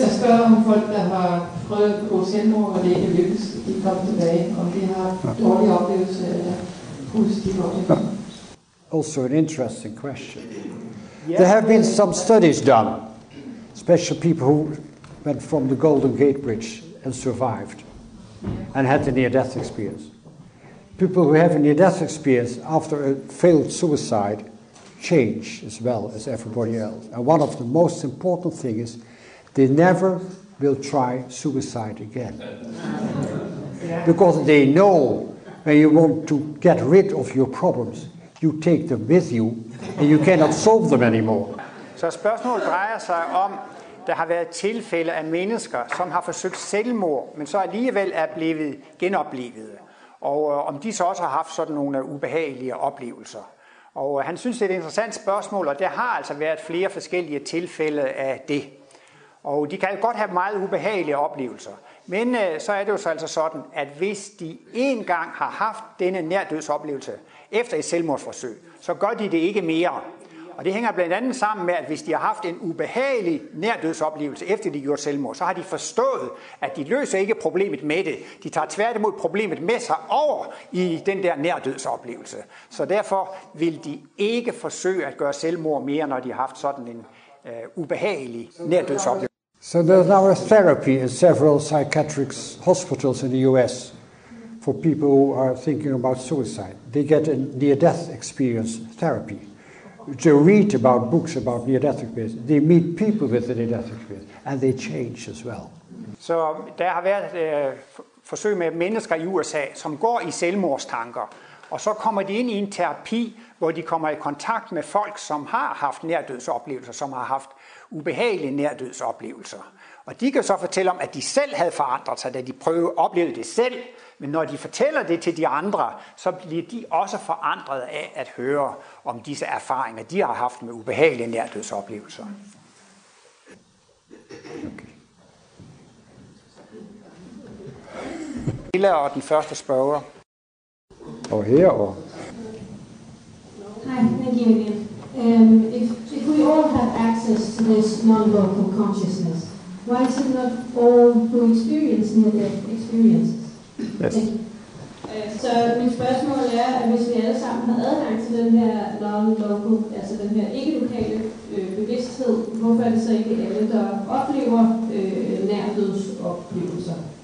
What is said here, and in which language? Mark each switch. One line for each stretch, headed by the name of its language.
Danish: Jeg spørger om folk, der har prøvet at gå selvmord, og det ikke lykkes, de kom tilbage, om de har dårlige oplevelser eller positive oplevelser.
English: Also an interesting question. There have been some studies done, especially people who went from the Golden Gate Bridge and survived. And had a near-death experience. People who have a near-death experience after a failed suicide change as well as everybody else. And one of the most important things is they never will try suicide again. Because they know when you want to get rid of your problems, you take them with you and you cannot solve them anymore.
Danish: Så spørgsmålet drejer sig om, der har været tilfælde af mennesker, som har forsøgt selvmord, men så alligevel er blevet genoplevet. Og om de så også har haft sådan nogle ubehagelige oplevelser. Og han synes, det er et interessant spørgsmål, og der har altså været flere forskellige tilfælde af det. Og de kan godt have meget ubehagelige oplevelser. Men så er det jo så altså sådan, at hvis de en gang har haft denne nærdødsoplevelse efter et selvmordsforsøg, så gør de det ikke mere. Og det hænger blandt andet sammen med, at hvis de har haft en ubehagelig nærdødsoplevelse efter de gjorde selvmord, så har de forstået, at de løser ikke problemet med det. De tager tværtimod problemet med sig over i den der nærdødsoplevelse. Så derfor vil de ikke forsøge at gøre selvmord mere, når de har haft sådan en ubehagelig nærdødsoplevelse.
English: So there's now a therapy in several psychiatric hospitals in the US for people who are thinking about suicide. They get a near-death experience therapy. To read about books about near-death experience, they meet people with the near-death experience, and they change as well.
Danish: Så der har været forsøg med mennesker i USA, som går i selvmordstanker, og så kommer de ind i en terapi, hvor de kommer i kontakt med folk, som har haft nærdødsoplevelser, som har haft ubehagelige nærdødsoplevelser. Og de kan så fortælle om, at de selv havde forandret sig, da de prøvede at opleve det selv, men når de fortæller det til de andre, så bliver de også forandret af at høre om disse erfaringer, de har haft med ubehagelige nærdødsoplevelser. Okay. Hilla og den første spørger. Og herovre. Hej, Nagina igen.
English: If we all have access to this non-local consciousness, why is it not all who experience near-death experiences? Yes.
Danish: Så mit spørgsmål er, at hvis vi alle sammen har adgang til den her non-local, altså den her ikke-lokale bevidsthed, hvorfor er det så ikke alle, der oplever nærdødsoplevelser?